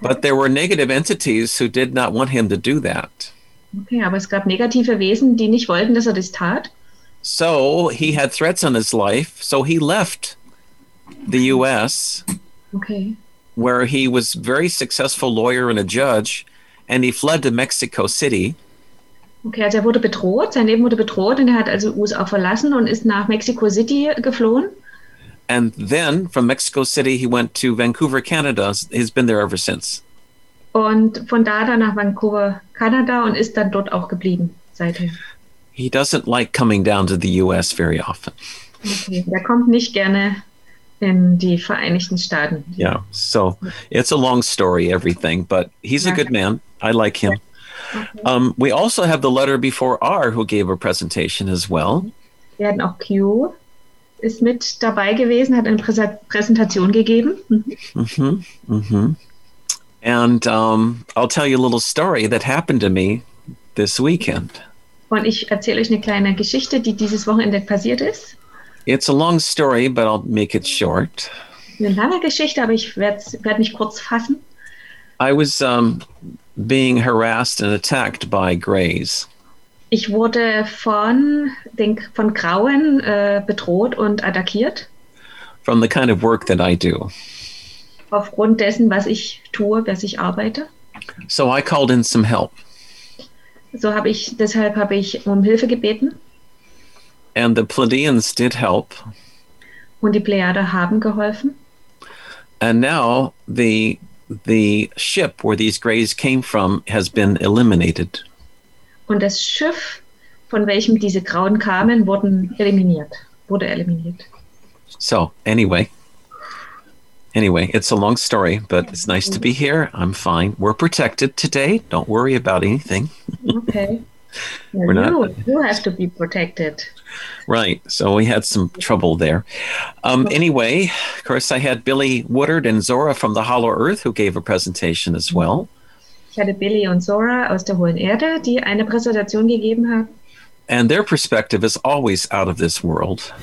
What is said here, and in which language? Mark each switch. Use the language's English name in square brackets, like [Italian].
[English] But there were negative entities who did not want him to do that. [German] Okay, aber es gab negative Wesen, die nicht wollten, dass er das tat. [English] So he had threats on his life, so he left the U.S. Okay. Where he was very successful lawyer and a judge, and he fled to Mexico City. [German] Okay, also er wurde bedroht, sein Leben wurde bedroht, und er hat also USA verlassen und ist nach Mexico City geflohen. [English] And then from Mexico City he went to Vancouver, Canada. He's been there ever since. [German] Und von da dann nach Vancouver, Kanada, und ist dann dort auch geblieben seitdem. [English] He doesn't like coming down to the U.S. very often. [German] Okay, er kommt nicht gerne in die Vereinigten Staaten. [English] Yeah, so it's a long story, everything, but he's a good man. I like him. Okay. We also have the letter before R, who gave a presentation as well. [German] Wir hatten auch Q, ist mit dabei gewesen, hat eine Präsentation gegeben. [English] And I'll tell you a little story that happened to me this weekend. [German] Und ich erzähle euch eine kleine Geschichte, die dieses Wochenende passiert ist. [English] It's a long story, but I'll make it short. [German] Eine lange Geschichte, aber ich werde mich kurz fassen. [English] I was being harassed and attacked by greys. [German] Ich wurde von Grauen bedroht und attackiert. [English] From the kind of work that I do. [German] Aufgrund dessen, was ich tue, was ich arbeite. [English] So I called in some help. [German] So habe ich um Hilfe gebeten. [English] And the Pleiadians did help. [German] Und die Plejaden haben geholfen. [English] And now the ship where these greys came from has been eliminated. [German] Und das Schiff, von welchem diese Grauen kamen, wurde eliminiert. [English] So, anyway, it's a long story, but it's nice to be here. I'm fine. We're protected today. Don't worry about anything. Okay. Well, you have to be protected. Right. So we had some trouble there. Anyway, of course, I had Billy Woodard and Zora from the Hollow Earth who gave a presentation as well. [German] Ich hatte Billy und Zora aus der Hohen Erde, die eine Präsentation gegeben haben. [English] And their perspective is always out of this world.